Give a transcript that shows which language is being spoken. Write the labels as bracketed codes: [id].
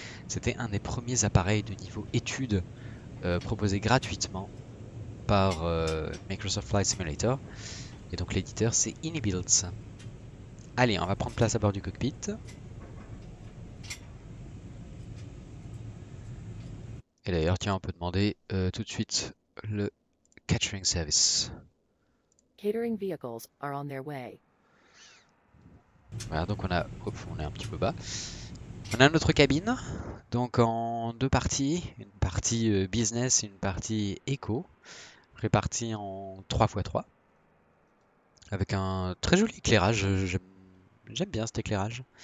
[fr] C'était un des premiers appareils de niveau études proposés gratuitement par Microsoft Flight Simulator. Et donc l'éditeur, c'est Inibuilds. Allez, on va prendre place à bord du cockpit. Et d'ailleurs, tiens, on peut demander tout de suite le Catering service. [en] Catering vehicles are on their way. [fr] Voilà, donc on a. Hop, on est un petit peu bas. On a notre cabine, donc en deux parties, une partie business et une partie éco, répartie en 3x3, avec un très joli éclairage. J'aime bien cet éclairage.